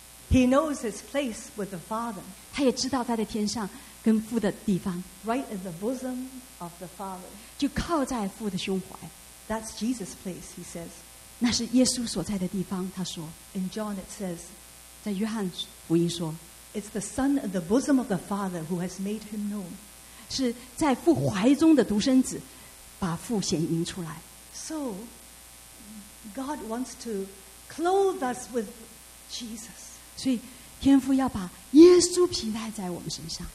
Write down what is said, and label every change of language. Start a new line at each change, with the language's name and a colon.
English: He knows his place with the Father.
Chinese: 他也知道他在天上跟父的地方。
English: Right in the bosom of the Father.
Chinese: 就靠在父的胸怀。
English: That's Jesus' place, he says.
Chinese: 那是耶稣所在的地方，他说。
English: In John it says,
Chinese: 在约翰福音说。
English: It's the Son in the bosom of the Father who has made him known.
Chinese: 是在父怀中的独生子，把父显明出来。
English: So,God wants to clothe us with Jesus.
Chinese: 所以天父要把耶稣披戴在我们身上。